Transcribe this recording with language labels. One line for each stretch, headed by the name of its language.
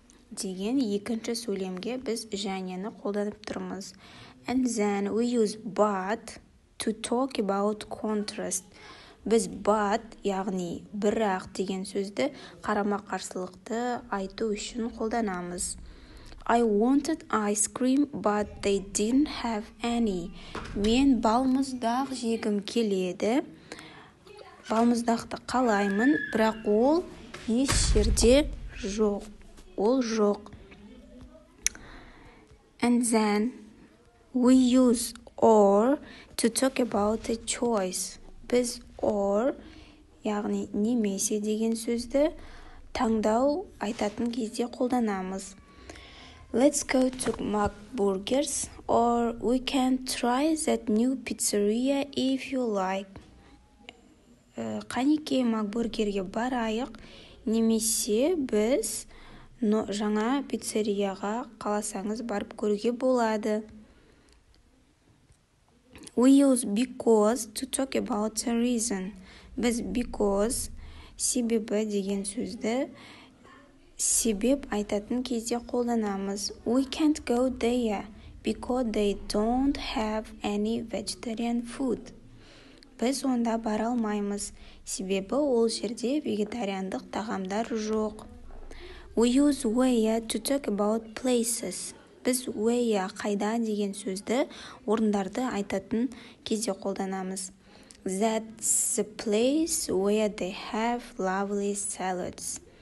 Kazakh: Деген екінші сөйлемге біз жәнені қолданып тұрмыз.
English: And then we use but to talk about contrast.
Kazakh: Біз but, яғни бірақ деген сөзді қарама-қарсылықты айту үшін қолданамыз.
English: I wanted ice cream, but they didn't have any.
Kazakh: Мен балмұздақ жегім келеді. Балмұздақты қалаймын, бірақ ол еш жерде жоқ. Ол жоқ.
English: And then we use or to talk about a choice.
Kazakh: Біз or, яғни немесе деген сөзді таңдау айтатын кезде қолданамыз.
English: Let's go to McBurgers, or we can try that new pizzeria if you like.
Kazakh: Қанеке McBurgerге барайық, немесе біз жаңа пиццерияға қаласаңыз барып көруге болады.
English: We use because to talk about a reason.
Kazakh: Біз because, себебі деген сөзді себеп айтатын кезде қолданамыз.
English: We can't go there because they don't have any vegetarian food.
Kazakh: Біз онда бара алмаймыз, себебі ол жерде вегетариандық тағамдар жоқ.
English: We use where to talk about places.
Kazakh: Біз where, қайда деген сөзді орындарды айтатын кезде қолданамыз.
English: That's the place where they have lovely salads.